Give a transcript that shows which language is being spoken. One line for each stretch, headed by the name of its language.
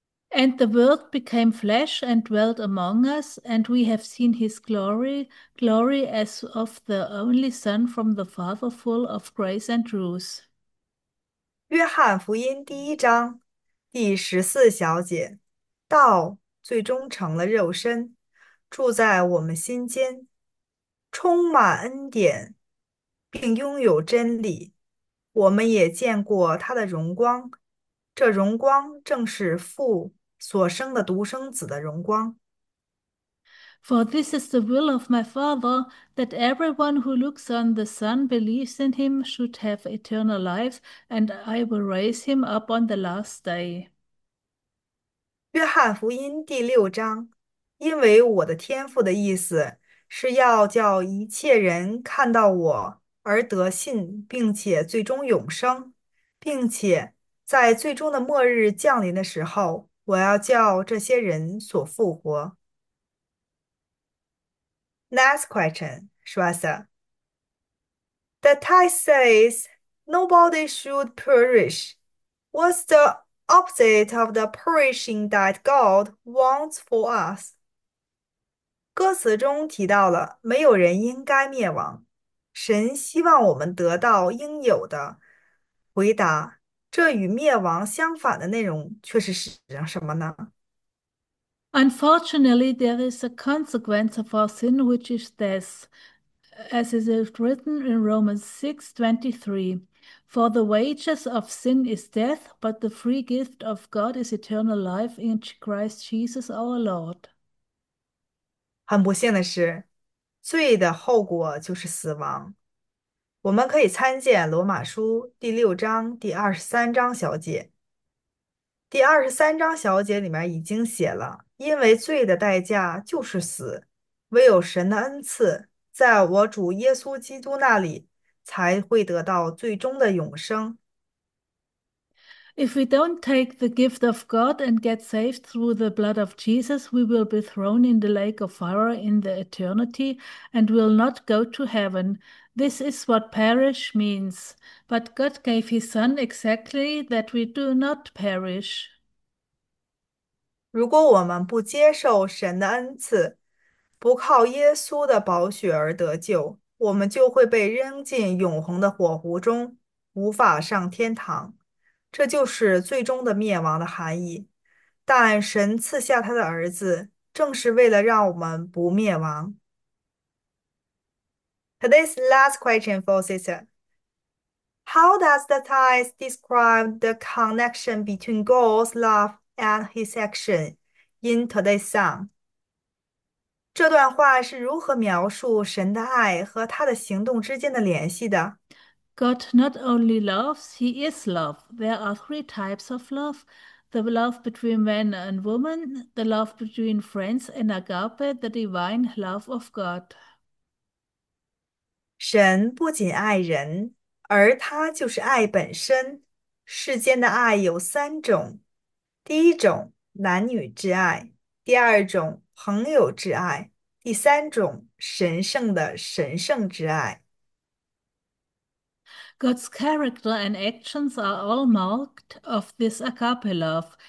English: And the Word became flesh and dwelt among us, and we have seen his glory, glory as of the only Son from the Father, full of grace and truth.
Chinese: 约翰福音第一章第14小节，道最终成了肉身，住在我们心间，充满恩典。并拥有真理，我们也见过他的荣光，这荣光正是父所生的独生子的荣光。
English: For this is the will of my Father, that everyone who looks on the Son believes in him should have eternal life, and I will raise him up on the last day.
Chinese: 约翰福音第六章，因为我的天父的意思是要叫一切人看到我。而得信，并且最终永生，并且在最终的末日降临的时候，我要叫这些人所复活。
English: Next question, Shwasa. The text says nobody should perish. What's the opposite of the perishing that God wants for us?
Chinese: 歌词中提到了没有人应该灭亡。神希望我们得到应有的回答，这与灭亡相反的内容却是什么呢？
English: Unfortunately, there is a consequence of our sin, which is death, as is written in Romans 6:23. For the wages of sin is death, but the free gift of God is eternal life in Christ Jesus our Lord.
Chinese: 很不幸的是。罪的后果就是死亡。我们可以参见《罗马书》第六章第23章小节。第23章小节里面已经写了，因为罪的代价就是死，唯有神的恩赐在我主耶稣基督那里才会得到最终的永生。
English: If we don't take the gift of God and get saved through the blood of Jesus, we will be thrown in the lake of fire in the eternity and will not go to heaven. This is what perish means. But God gave his son exactly that we do not perish.
Chinese: 如果我们不接受神的恩赐，不靠耶稣的宝血而得救，我们就会被扔进永恒的火湖中，无法上天堂。这就是最终的灭亡的含义。但神赐下他的儿子，正是为了让我们不灭亡。
English: Today's last question for sister. How does the text describe the connection between God's love and his action in today's song？
Chinese: 这段话是如何描述神的爱和他的行动之间的联系的？
English: God not only loves, he is love. There are three types of love: the love between man and woman, the love between friends, and agape, the divine love of God.
Chinese: 神不仅爱人，而他就是爱本身。世间的爱有三种。第一种男女之爱，第二种朋友之爱，第三种神圣的神圣之爱。
English: God's character and actions are all marked of this agape love.